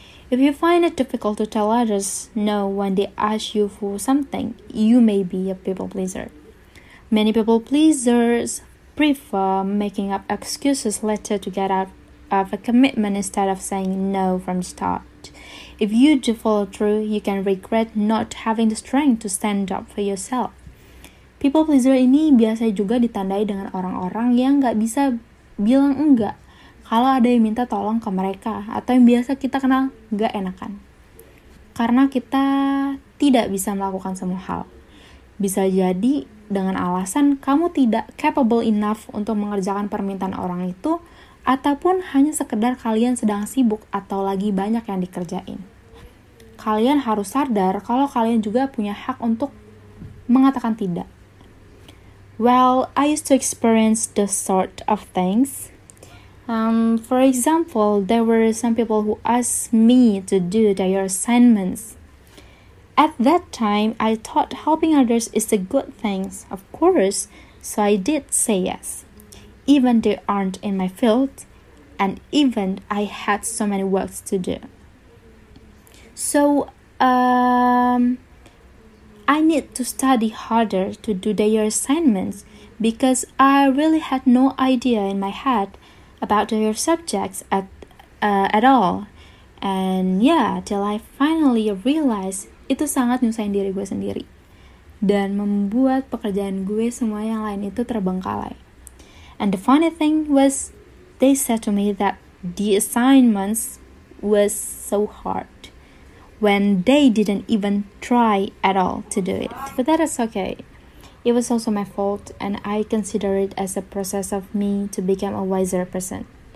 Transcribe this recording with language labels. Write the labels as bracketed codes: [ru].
[en] If you find it difficult to tell others no when they ask you for something, you may be a people pleaser. Many people pleasers prefer making up excuses later to get out of a commitment instead of saying no from the start. If you do follow through, you can regret not having the strength to stand up for yourself. [id] People pleaser ini biasanya juga ditandai dengan orang-orang yang gak bisa bilang enggak kalau ada yang minta tolong ke mereka, atau yang biasa kita kenal gak enakan. Karena kita tidak bisa melakukan semua hal. Bisa jadi dengan alasan kamu tidak [en] capable enough [id] untuk mengerjakan permintaan orang itu, ataupun hanya sekedar kalian sedang sibuk atau lagi banyak yang dikerjain. Kalian harus sadar kalau kalian juga punya hak untuk mengatakan tidak. [en] Well, I used to experience the sort of things. For example, there were some people who asked me to do their assignments. At that time, I thought helping others is a good thing. Of course, So I did say yes, even they aren't in my field, and even I had so many works to do. So, I need to study harder to do their assignments, because I really had no idea in my head about their subjects at all. And yeah, till I finally realized [id] itu sangat nyusahin diri gue sendiri dan membuat pekerjaan gue semua yang lain itu terbengkalai. [en] And the funny thing was, they said to me that the assignments was so hard when they didn't even try at all to do it. But that is okay. It was also my fault, and I consider it as a process of me to become a wiser person.